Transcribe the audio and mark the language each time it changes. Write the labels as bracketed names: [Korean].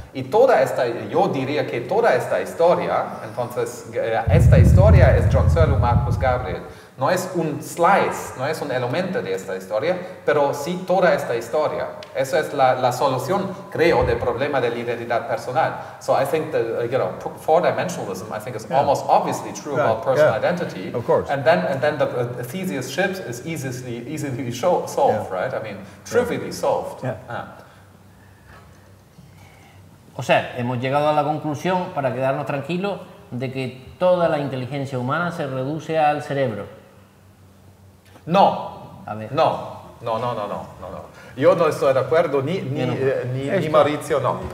[Spanish] Y toda esta, yo diría que toda esta historia, entonces, esta historia es John Searle, Marcus Gabriel. No es un slice, no es un elemento de esta historia, pero sí toda esta historia. Eso es la solución, creo, del problema de la identidad personal. [English] So I think that, you know, four-dimensionalism, I think is almost obviously true about personal identity. Of course. And then the Theseus ship is easily solved, right? I mean, trivially solved. Yeah. [Spanish] O sea, hemos llegado a la conclusión, para quedarnos tranquilos, de que toda la inteligencia humana se reduce al cerebro. No. A ver. No. No, no, no, no, no, no. Yo no estoy de acuerdo, ni Maurizio, no.